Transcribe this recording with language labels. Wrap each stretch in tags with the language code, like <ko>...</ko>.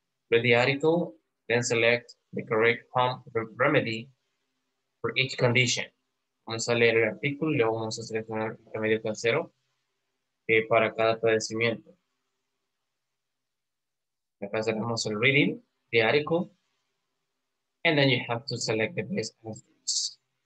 <en>Read the article, then select the correct home remedy for each condition.</en> <es>Vamos a leer el artículo y luego vamos a seleccionar el remedio casero para cada padecimiento. Acá tenemos el</es> <en>reading, the article, and then you have to select the best answers.</en>